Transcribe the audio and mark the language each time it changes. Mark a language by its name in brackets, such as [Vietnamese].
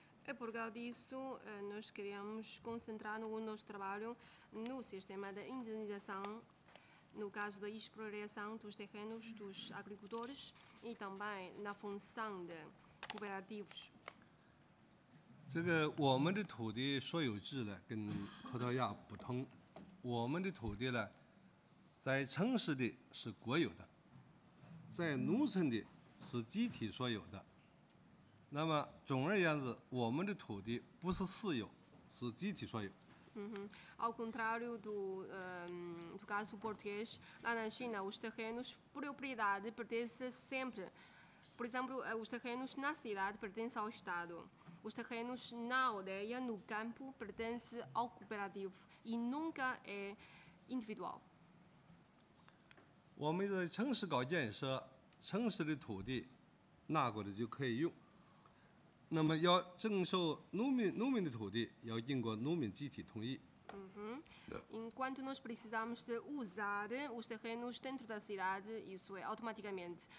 [Portuguese] É por causa disso, nós queremos concentrar o nosso trabalho no sistema de indenização, no caso da exploração dos terrenos dos agricultores e também na função de cooperativos. [Chinese] 这个我们的土地所有制呢，跟葡萄牙不同。我们的土地呢，在城市的是国有的，在农村的是集体所有的。那么总而言之，我们的土地不是私有，是集体所有。 [Portuguese] 嗯哼，ao contrário do do caso português, lá na China os terrenos propriedade pertence sempre. Por exemplo, os terrenos na cidade pertence ao Estado. Os terrenos na aldeia, no campo, pertence ao cooperativo e nunca é individual. [Chinese] 我们在城市搞建设，城市的土地拿过来就可以用。那么要征收农民的土地，要经过农民集体同意。 [Portuguese] Enquanto nós precisamos de usar os terrenos dentro da cidade, isso é automaticamente.